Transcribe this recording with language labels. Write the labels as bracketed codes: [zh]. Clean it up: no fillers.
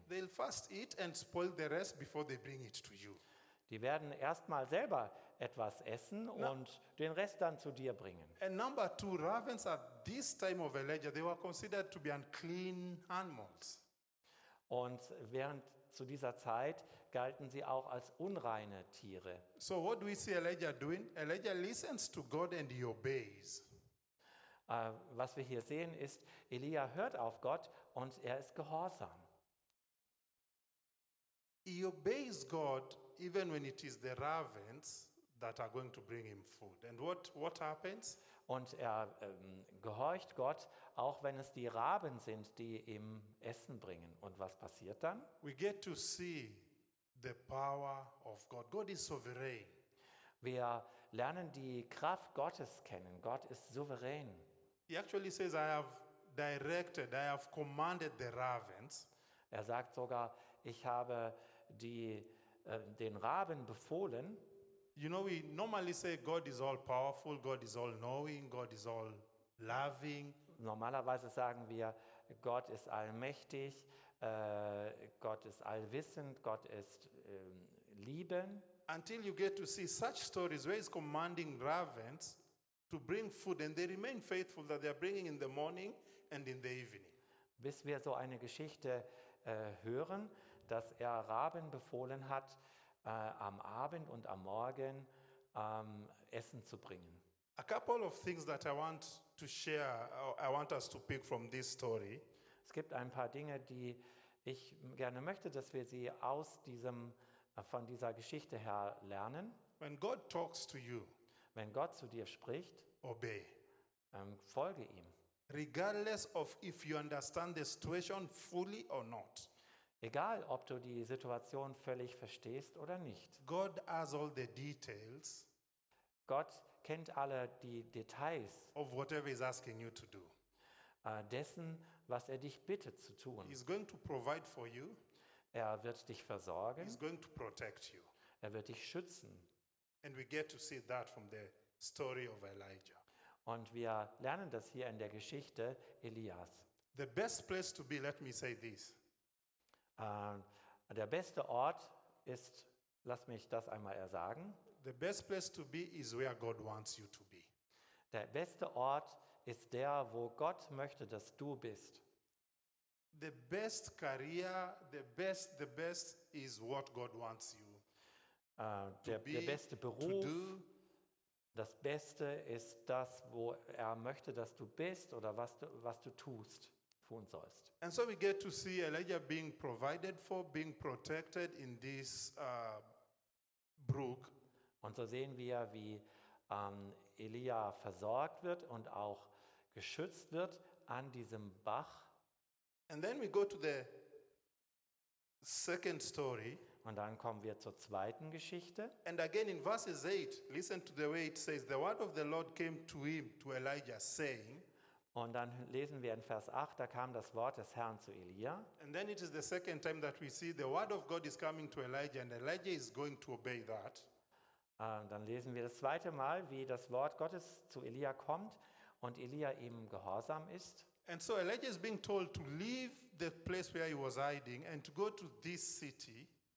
[en] They'll first eat and spoil the rest before they bring it to you. [de] Die werden erstmal selber etwas essen und den Rest dann zu dir bringen. [en] And number two, ravens at this time of Elijah, they were considered to be unclean animals. [de] Und während zu dieser Zeit galten sie auch als unreine Tiere. [en] So what do we see Elijah doing? Elijah listens to God and he obeys. [de] Was wir hier sehen ist, Elia hört auf Gott und er ist gehorsam. [en] He obeys God even when it is the ravens that are going to bring him food. And what happens? [de] Und er gehorcht Gott, auch wenn es die Raben sind, die ihm Essen bringen. Und was passiert dann? [en] We get to see the power of God. God is sovereign. [de] Wir lernen die Kraft Gottes kennen. Gott ist souverän. [en] He actually says, I have directed, I have commanded the ravens. [de] Er sagt sogar, ich habe den Raben befohlen. [en] You know, we normally say God is all powerful, God is all knowing, God is all loving. [de] Normalerweise sagen wir, Gott ist allmächtig, Gott ist allwissend, Gott ist lieben. [en] Until you get to see such stories where he's commanding ravens to bring food and they remain faithful that they are bringing in the morning and in the evening. [de] Bis wir so eine Geschichte hören, dass er Raben befohlen hat, am Abend und am Morgen Essen zu bringen. [en] A couple of things that I want to share, I want us to pick from this story. [de] Es gibt ein paar Dinge, die ich gerne möchte, dass wir sie aus von dieser Geschichte her lernen. [en] When God talks to you, [de] wenn Gott zu dir spricht, [en] obey. [de] Folge ihm. [en] Regardless of if you understand the situation fully or not. [de] Egal, ob du die Situation völlig verstehst oder nicht. [en] God has all the details. [de] Gott kennt alle die Details [en] of whatever he's asking you to do. [de] Dessen, was er dich bittet zu tun. [en] He's going to provide for you. [de] Er wird dich versorgen. [en] He's going to protect you. [de] Er wird dich schützen. [en] And we get to see that from the story of Elijah. [de] Und wir lernen das hier in der Geschichte Elias. [en] The best place to be, let me say this. [de] Der beste Ort ist, lass mich das einmal ersagen. [en] The best place to be is where God wants you to be. [de] Der beste Ort ist der, wo Gott möchte, dass du bist. [en] The best career, the best is what God wants you. [de] Der beste Beruf, das Beste ist das, wo er möchte, dass du bist oder was du tust. [en] And so we get to see Elijah being provided for, being protected in this brook. [de] Und so sehen wir, wie Elia versorgt wird und auch geschützt wird an diesem Bach. [en] And then we go to the second story. [de] Und dann kommen wir zur zweiten Geschichte. [en] And again in verses 8, listen to the way it says, the word of the Lord came to him, to Elijah, saying. [de] Und dann lesen wir in Vers 8, da kam das Wort des Herrn zu Elia. [en] And then it is the second time that we see the word of God is coming to Elijah and Elijah is going to obey that. [de] Dann lesen wir das zweite Mal, wie das Wort Gottes zu Elia kommt und Elia ihm gehorsam ist. [en] And so Elijah is being told to leave the place where he was hiding and to go to this city.